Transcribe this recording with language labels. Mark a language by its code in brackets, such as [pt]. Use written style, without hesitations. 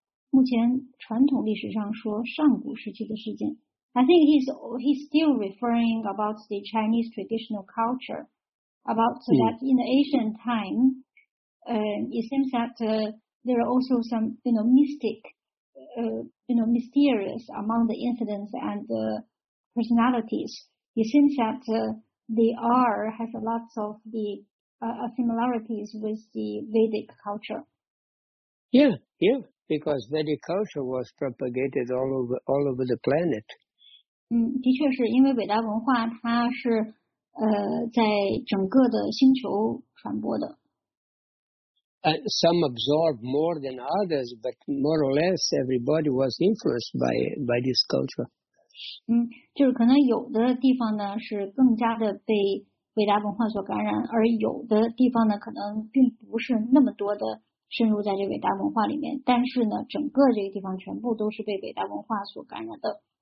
[zh] 目前传统历史上说上古时期的事件。 [en] I think he's still referring about the Chinese traditional culture, about that in the ancient time, it seems that there are also some, you know, mystic. Mysterious among the incidents and the personalities. It seems that the R has a lot of the similarities with the Vedic culture. Yeah, because Vedic culture was propagated all over the planet. [zh] 的确是因为伟大文化它是在整个的星球传播的。 [en] Some absorb more than others, but more or less everybody was influenced by this culture. [zh] 就是可能有的地方呢是更加的被伟大文化所感染，而有的地方呢可能并不是那么多的深入在这伟大文化里面，但是呢整个这个地方全部都是被伟大文化所感染的。